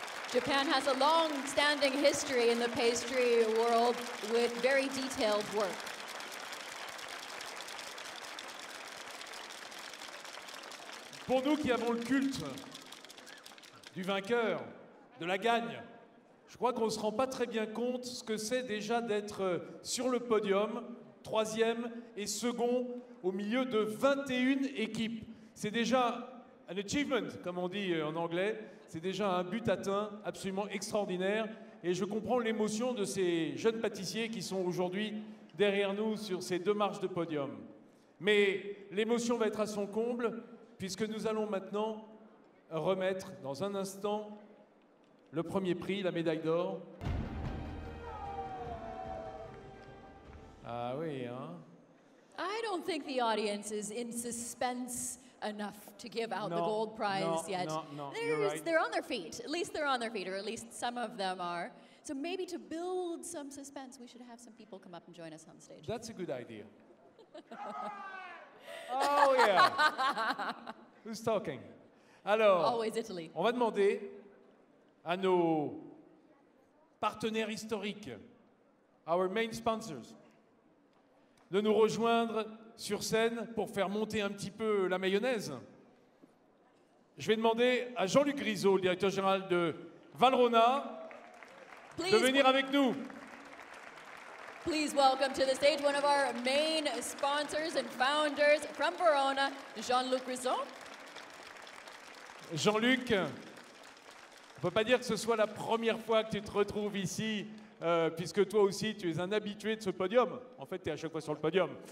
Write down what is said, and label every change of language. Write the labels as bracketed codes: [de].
[en] Japan has a long-standing history in the pastry world with very detailed work. [fr] Pour nous qui avons le culte du vainqueur, de la gagne, je crois qu'on ne se rend pas très bien compte ce que c'est déjà d'être sur le podium, troisième et second, au milieu de 21 équipes. C'est déjà... un achievement, comme on dit en anglais, c'est déjà un but atteint absolument extraordinaire. Et je comprends l'émotion de ces jeunes pâtissiers qui sont aujourd'hui derrière nous sur ces deux marches de podium. Mais l'émotion va être à son comble, puisque nous allons maintenant remettre dans un instant le premier prix, la médaille d'or. Ah oui, hein? [en] I don't think the audience is in suspense enough to give out the gold prize yet. They're on their feet. At least they're on their feet, or at least some of them are. So maybe to build some suspense, we should have some people come up and join us on stage. That's a good idea. Oh, yeah. Who's talking? Alors, always Italy. [fr] On va demander à nos partenaires historiques, [en] our main sponsors, [fr] de nous rejoindre sur scène pour faire monter un petit peu la mayonnaise. Je vais demander à Jean-Luc Grisot, le directeur général de Valrhona, de venir avec nous. [en] Please welcome to the stage one of our main sponsors and founders from Verona, Jean-Luc Grisot. [fr] Jean-Luc, on peut pas dire que ce soit la première fois que tu te retrouves ici. Puisque toi aussi, tu es un habitué de ce podium. En fait, tu es à chaque fois sur le podium.